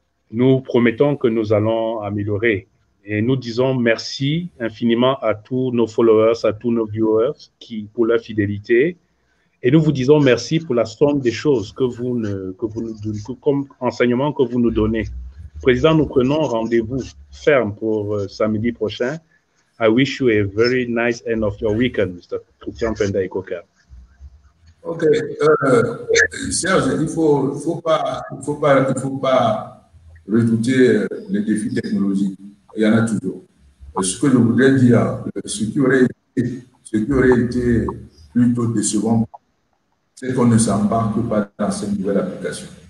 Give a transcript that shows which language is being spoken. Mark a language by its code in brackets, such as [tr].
[fr] Nous promettons que nous allons améliorer et nous disons merci infiniment à tous nos followers, à tous nos viewers qui, pour leur fidélité. Et nous vous disons merci pour la somme des choses que vous, ne, que vous nous donnez, comme enseignement que vous nous donnez. Président, nous prenons rendez-vous ferme pour samedi prochain. [en] I wish you a very nice end of your weekend, Mr. Christian Pendaikoker. [fr] Ok, Serge, il faut pas redouter les défis technologiques. Il y en a toujours. Ce que je voudrais dire, ce qui aurait été plutôt décevant, c'est qu'on ne s'embarque pas dans cette nouvelle application.